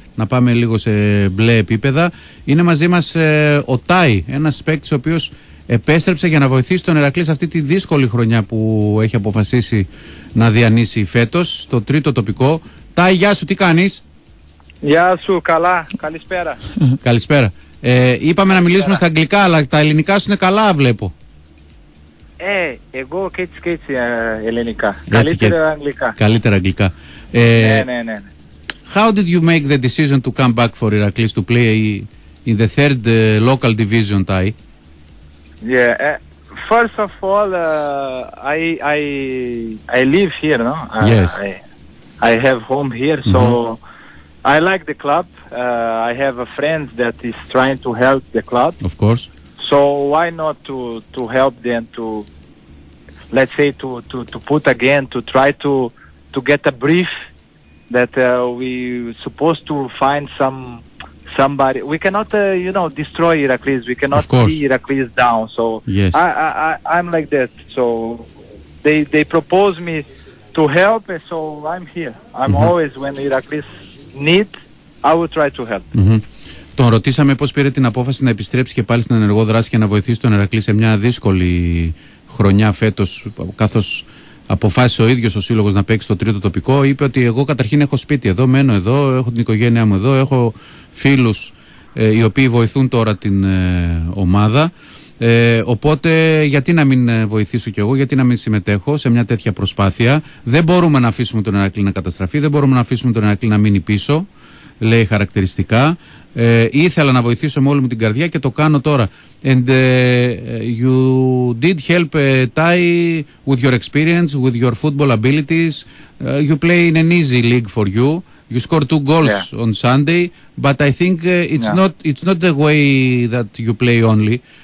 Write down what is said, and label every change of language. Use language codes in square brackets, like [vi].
[el] να πάμε λίγο σε μπλε επίπεδα. Είναι μαζί μας ο Τάι, ένας παίκτης ο οποίος επέστρεψε για να βοηθήσει τον Ηρακλή σε αυτή τη δύσκολη χρονιά που έχει αποφασίσει να διανύσει φέτος, στο τρίτο τοπικό. Τάι, γεια σου, τι κάνεις? Γεια σου, καλά, καλησπέρα. Καλησπέρα. Είπαμε να μιλήσουμε στα αγγλικά, αλλά τα ελληνικά σου είναι καλά, βλέπω. Εγώ και έτσι και έτσι ελληνικά. Έτσι καλύτερα και... αγγλικά. Καλύτερα αγγλικά. Ναι. [en] How did you make the decision to come back for Ηρακλής to play in the third local division, Tai? Yeah, first of all, I live here, no? Yes. I have home here, so mm-hmm. I like the club. I have a friend that is trying to help the club. Of course. So why not to help them to, let's say, to put again, to try to get a brief that we supposed to find somebody. We cannot, you know, destroy Ηρακλής. We cannot see Ηρακλής down. So yes. I'm like that. So they propose me to help. So I'm here. I'm mm-hmm. always when Ηρακλής need, I will try to help. Mm-hmm. [el] Τον ρωτήσαμε πώς πήρε την απόφαση να επιστρέψει και πάλι στην ενεργό δράση και να βοηθήσει τον Ηρακλή σε μια δύσκολη χρονιά φέτος, καθώς αποφάσισε ο ίδιος ο σύλλογος να παίξει στο τρίτο τοπικό. Είπε ότι εγώ καταρχήν έχω σπίτι εδώ, μένω εδώ, έχω την οικογένειά μου εδώ, έχω φίλους οι οποίοι βοηθούν τώρα την ομάδα. Οπότε γιατί να μην βοηθήσω κι εγώ, γιατί να μην συμμετέχω σε μια τέτοια προσπάθεια. Δεν μπορούμε να αφήσουμε τον Ηρακλή να καταστραφεί, δεν μπορούμε να αφήσουμε τον Ηρακλή να μείνει πίσω, λέει χαρακτηριστικά. Ήθελα να βοηθήσω με όλη μου την καρδιά και το κάνω τώρα. [en] And you did help Tai with your experience, with your football abilities. You play in an easy league for you. You score two goals yeah. on Sunday, but I think it's not the way that you play only.